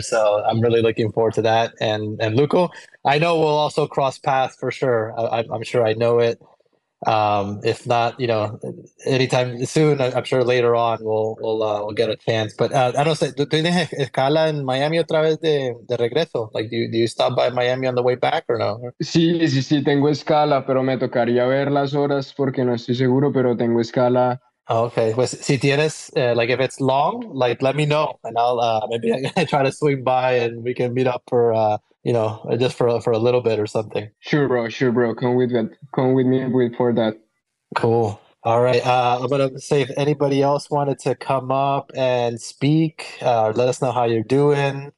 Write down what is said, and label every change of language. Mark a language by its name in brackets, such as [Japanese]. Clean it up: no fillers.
[English] So I'm really looking forward to that. And Luko, I know we'll also cross paths for sure. I'm sure I know it. If not, you know, anytime soon, I'm sure later on we'll get a chance. But I don't say, do you have escala in Miami [Spanish] otra vez de regreso? [English] Like, do you stop by Miami on the way back or no? [Spanish] Sí, tengo escala, pero me tocaría ver las horas porque no estoy seguro, pero tengo escala [English] Okay. [Spanish] Pues, si tienes, [English] like, if it's long, like, let me know, and I'll maybe I try to swing by, and we can meet up for, you know, just for a little bit or something. Sure, bro. Sure, bro. Come with me for that. Cool. All right. I'm going to say if anybody else wanted to come up and speak, let us know how you're doing.